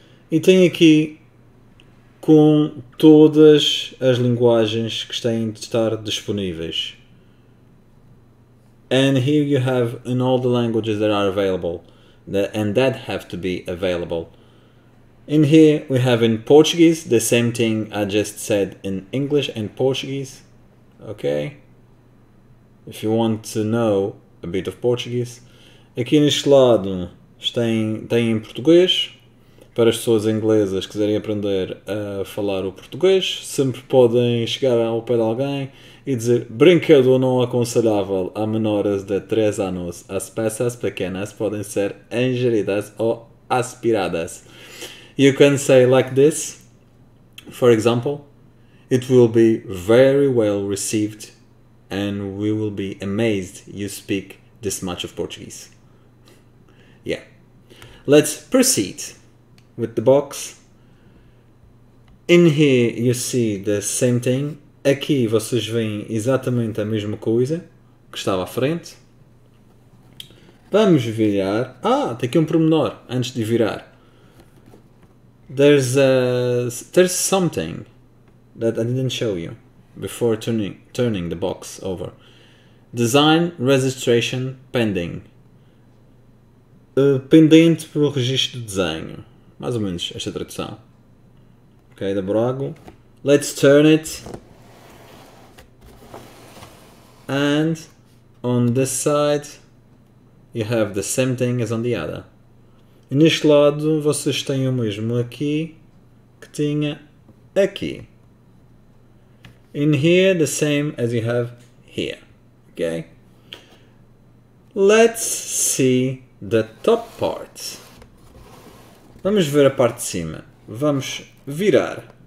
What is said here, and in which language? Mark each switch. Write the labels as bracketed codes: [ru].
[pt] E tem aqui com todas as linguagens que têm de estar disponíveis. [en] And here you have in all the languages that are available and that have to be available. In here we have in Portuguese the same thing I just said in English and Portuguese. Okay. If you want to know a bit of Portuguese. [pt] Aqui neste lado tem em português. Para as pessoas inglesas que quiserem aprender a falar o português, sempre podem chegar ao pé de alguém e dizer brinquedo não aconselhável a menores de 3 anos. As peças pequenas podem ser ingeridas ou aspiradas. [en] You can say like this, for example, it will be very well received and we will be amazed you speak this much of Portuguese. Yeah. Let's proceed. With the box, in here you see the same thing, [pt] aqui vocês veem exatamente a mesma coisa que estava à frente. Vamos virar, tem aqui pormenor antes de virar. [en] There's something that I didn't show you before turning the box over. Design registration pending. [pt] Pendente pelo registro de desenho. Mais ou menos esta tradução. Ok, da Burago. [en] Let's turn it. And on this side you have the same thing as on the other. [pt] E neste lado vocês têm o mesmo aqui que tinha aqui. [en] In here the same as you have here. Ok? Let's see the top part. [pt] Vamos ver a parte de cima. Vamos virar.